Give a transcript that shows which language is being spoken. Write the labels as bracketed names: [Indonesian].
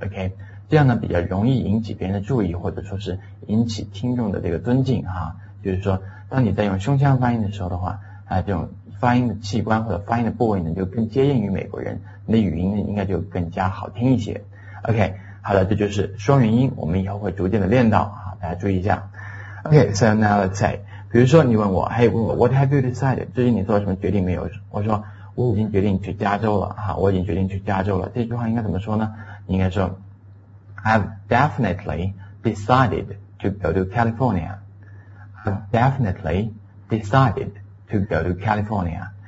[Chinese] OK, 这样呢比较容易引起别人的注意，或者说是引起听众的这个尊敬哈。就是说当你在用胸腔发音的时候的话这种发音的器官或者发音的部位呢就更接近于美国人，你的语音呢应该就更加好听一些。 OK, 好的，这就是双元音，我们以后会逐渐的练到，大家注意一下。 [English] OK, so now let's say, [Chinese] 比如说你问我 [English] Hey, what have you decided? [Chinese] 最近你做了什么决定没有？我说我已经决定去加州了，我已经决定去加州了，这句话应该怎么说呢？你应该说 [English] I've definitely decided to go to CaliforniaDefinitely decided to go to California.